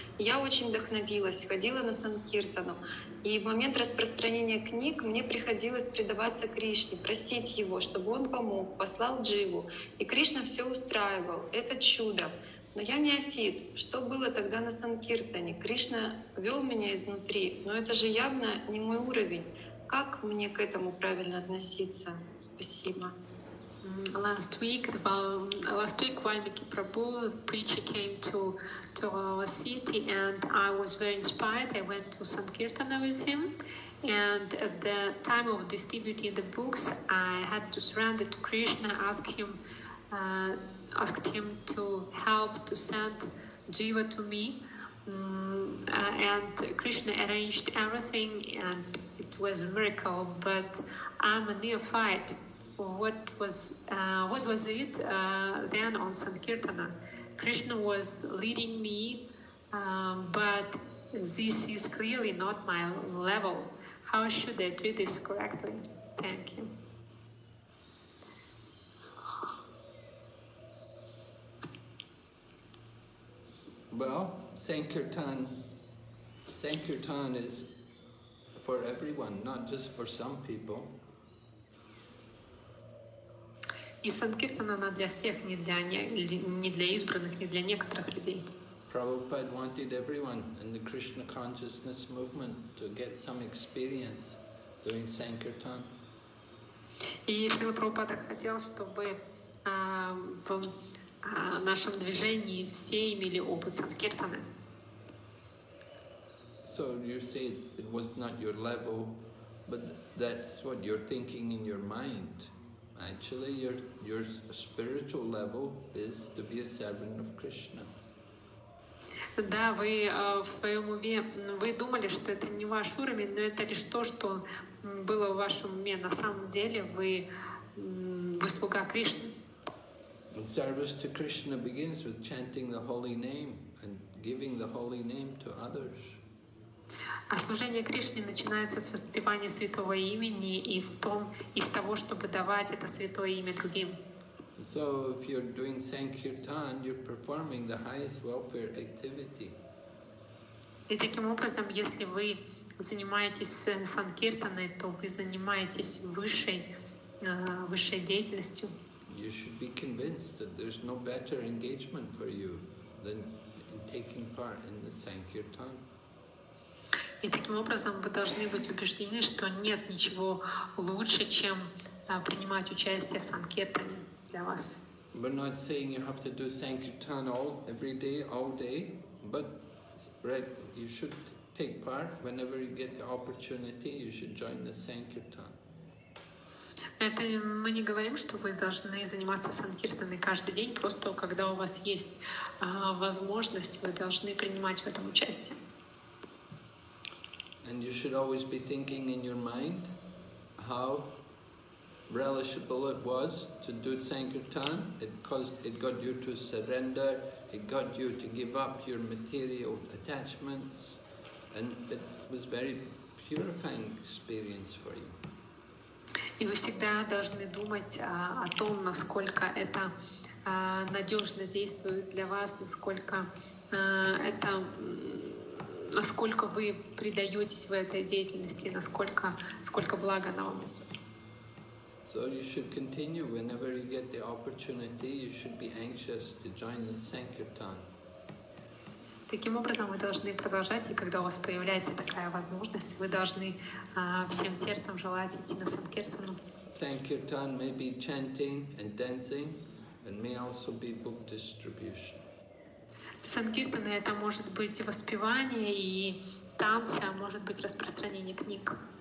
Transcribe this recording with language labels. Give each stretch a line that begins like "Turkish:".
Russian: Я очень вдохновилась, ходила на Санкиртану. И в момент распространения книг мне приходилось предаваться Кришне, просить его, чтобы он помог, послал Дживу. И Кришна все устраивал. Это чудо. Но я не афит. Что было тогда на Санкиртане? Кришна вел меня изнутри, но это же явно не мой уровень. Как мне к этому правильно относиться? Спасибо.
English: Last week Valmiki Prabhu preacher came to our city, and I was very inspired. I went to Sankirtana with him, and at the time of distributing the books, I had to surrender to Krishna, asked him to help to send Jiva to me, and Krishna arranged everything, and it was a miracle. But I'm a neophyte. What was it then on Sankirtana? Krishna was leading me, but this is clearly not my level. How should I do this correctly? Thank you. Well, Sankirtan is for everyone, not just for some people.
Russian: И Санкиртана она для всех, не для избранных, не для некоторых людей.
English: Prabhupada wanted everyone in the Krishna consciousness movement to get some experience doing Sankirtan.
Russian: И Шрила Прабхупада хотел, чтобы в нашем движении все имели опыт Санкиртаны.
English: So you say it was not your level, but that's what you're thinking in your mind. Actually, your spiritual level is to be a servant of Krishna.
Russian: Да, вы в своем уме, вы думали, что это не ваш уровень, но это лишь то, что было в вашем уме. На самом деле вы слуга Кришны.
English: Service to Krishna begins with chanting the holy name and giving the holy name to others.
Russian: А служение Кришне начинается с воспевания святого имени и в том, из того, чтобы давать это святое имя другим.
English: So if you're doing sankirtan, you're performing the highest welfare activity.
Russian: И таким образом, если вы занимаетесь санкиртаной, то вы занимаетесь высшей деятельностью.
English: You should be convinced that there's no better engagement for you than taking part in the sankirtan.
Russian: И таким образом вы должны быть убеждены, что нет ничего лучше, чем принимать участие в санкиртане для вас.
English: We're not saying you have to do sankirtan all every day, all day, but right, you should take part whenever you get the opportunity. You should join the sankirtan.
Russian: Это мы не говорим, что вы должны заниматься санкиртаной каждый день, просто когда у вас есть возможность, вы должны принимать в этом участие.
English: And you should always be thinking in your mind how relishable it was to do sankirtan. It got you to surrender, it got you to give up your material attachments, and it was very purifying experience for you.
Russian: И вы всегда должны думать о том, насколько это надежно действует для вас, насколько вы предаетесь в этой деятельности, сколько блага она вам несет.
English: So you should continue whenever you get the opportunity. You should be anxious to join the sankirtan.
Russian: Таким образом, вы должны продолжать, и когда у вас появляется такая возможность, вы должны всем сердцем желать идти на санкиртану.
English: Sankirtan may be chanting and dancing, and may also be book distribution.
Russian: Санкиртана — это может быть воспевание и танцы, а может быть распространение книг.